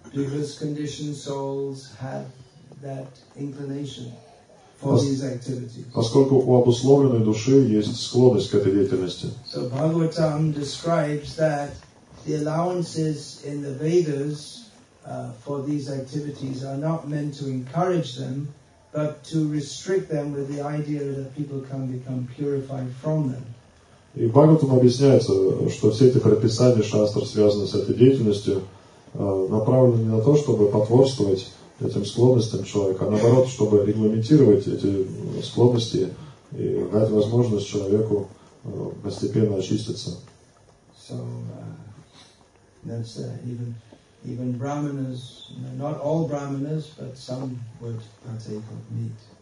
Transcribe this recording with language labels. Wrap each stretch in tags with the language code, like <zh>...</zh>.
<en>Because conditioned souls have that inclination for these activities.</en> <ru>Поскольку у обусловленной души есть склонность к этой деятельности.</ru> <en>So Bhagavatam describes that the allowances in the Vedas for these activities are not meant to encourage them, but to restrict them with the idea that people can become purified from them.</en> <ru>И Бхагаватам объясняется, что все эти предписания шастр, связанные с этой деятельностью, направлены не на то, чтобы потворствовать этим склонностям человека, а наоборот, чтобы регламентировать эти склонности и дать возможность человеку постепенно очиститься.</ru> <en>So, that's even brahmanas, not all brahmanas, but some would partake of meat.</en>